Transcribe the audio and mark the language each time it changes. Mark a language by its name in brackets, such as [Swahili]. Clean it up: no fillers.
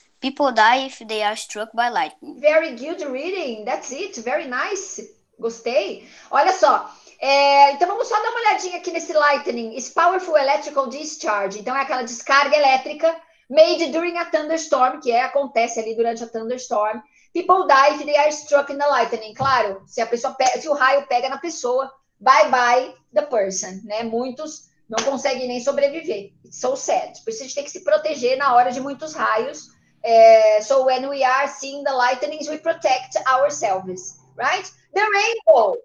[English] People die if they are struck by lightning. Very good reading, that's it, very nice, gostei. [Portuguese] Olha só. Então, vamos só dar uma olhadinha aqui nesse lightning. [English] It's powerful electrical discharge. [Portuguese] Então, é aquela descarga elétrica [English] made during a thunderstorm, [Portuguese] que acontece ali durante a thunderstorm. [English] People die if they are struck in the lightning. [Portuguese] Claro, se o raio pega na pessoa, [English] bye-bye the person, [Portuguese] né? Muitos não conseguem nem sobreviver. [English] It's so sad. [Portuguese] Por isso, a gente tem que se proteger na hora de muitos raios. [English] So, when we are seeing the lightnings, we protect ourselves, right? The rainbow.